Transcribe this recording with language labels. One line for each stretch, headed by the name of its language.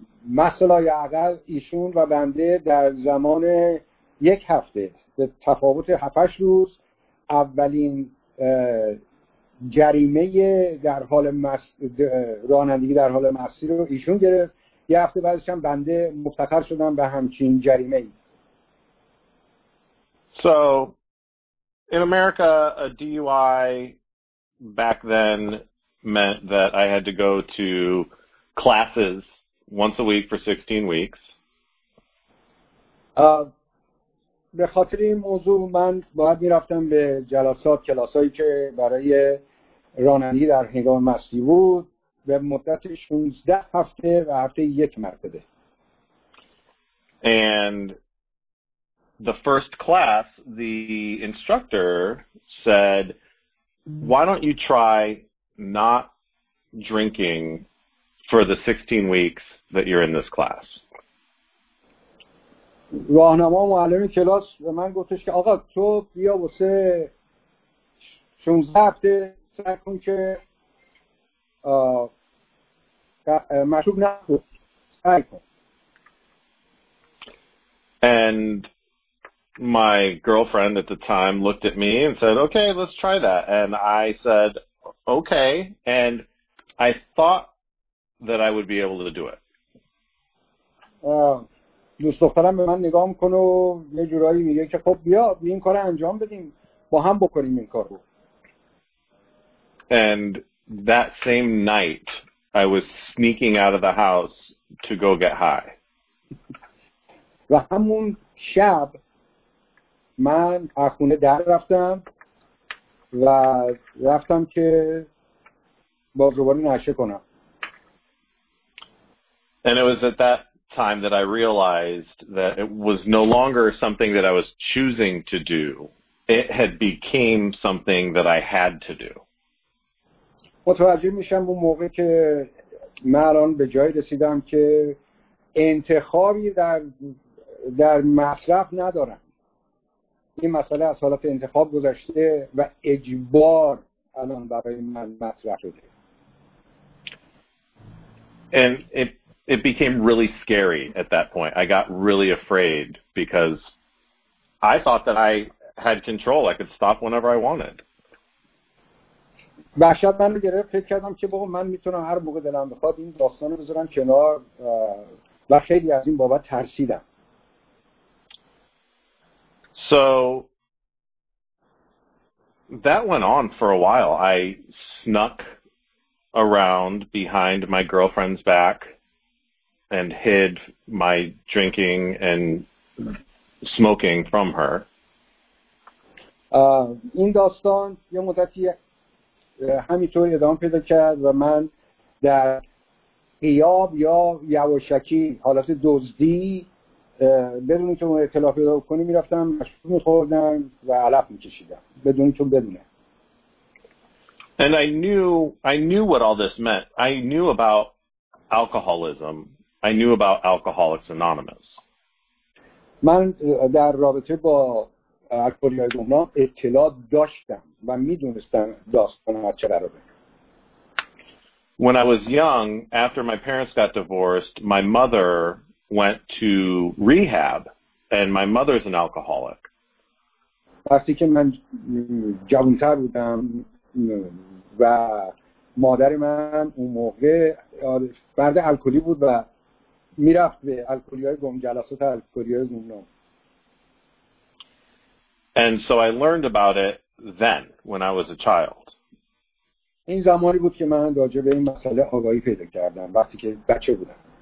Persian: مثلای عقل ایشون و بنده در زمان یک هفته به تفاوت 7-8 روز اولین جریمه در حال رانندگی در حال مستی رو ایشون گرفت یه هفته بعدش هم بنده مفتخر شدم به همچین جریمه ای
English: So in America a DUI back then meant that I had to go to classes once a week for 16 weeks
Persian: به خاطر این موضوع من باید میرفتم به جلسات کلاسایی که برای رانندگی در هنگام مستی بود به مدت 16 هفته و هفته یک مرتبه.
English: And the first class the instructor said why don't you try not drinking for the 16 weeks that you're in this class.
Persian: راهنما معلم کلاس به من گفتش که آقا تو بیا واسه 16 هفته سعی کن که مشروب نخوری.
English: And my girlfriend at the time looked at me and said, "Okay, let's try that." And I said, "Okay." And I thought that I would be able to do it.
Persian: دوست دخترم به من نگاه میکنه و یه جورایی میگه که خب بیا این کار رو انجام بدیم با هم بکنیم این کار رو.
English: And that same night I was sneaking out of the house to go get high.
Persian: و همون شب من از خونه در رفتم و رفتم که با دوباره نشه کنم.
English: And it was at that time that I realized that it was no longer something that I was choosing to do. It had became something that I had to do.
Persian: متوجه میشم اون موقع که من الان به جایی رسیدم که انتخابی در مصرف ندارم. این مسئله از حالت انتخاب گذشته و اجبار الان برای من مطرح شده.
English: And it became really scary at that point. I got really afraid because I thought that I had control. I could stop whenever I wanted.
Persian: وحشت من رو گرفت. فکر کردم که بابا من میتونم هر موقع دلم بخواد این داستان رو بذارم کنار و خیلی از این بابت ترسیدم.
English: So that went on for a while. I snuck around behind my girlfriend's back and hid my drinking and smoking from her.
Persian: این داستان یه مدتی همینطور ادامه پیدا کرد و من در غیاب یا یواشکی حالت دزدی بدون اینکه اون اطلاع پیدا کنی میرفتم مشروب میخوردم و علف میکشیدم بدون اینکه بدونه.
English: And I knew what all this meant. I knew about alcoholism. I knew about Alcoholics Anonymous.
Persian: من در رابطه با الکلی اونا اطلاع داشتم و میدونستم داستان از چه قراره.
English: When I was young, after my parents got divorced, my mother went to rehab, and my mother's an alcoholic.
Persian: وقتی که من جوانتر بودم و مادر من اون موقع فرد الکلی بود و میرفت به الکلی‌های گم جلسات الکلی‌های گمنام.
English: And so I learned about it then, when I was a child.
Persian: این زمانی بود که من راجع به این مسئله آگاهی پیدا کردم وقتی که بچه بودم.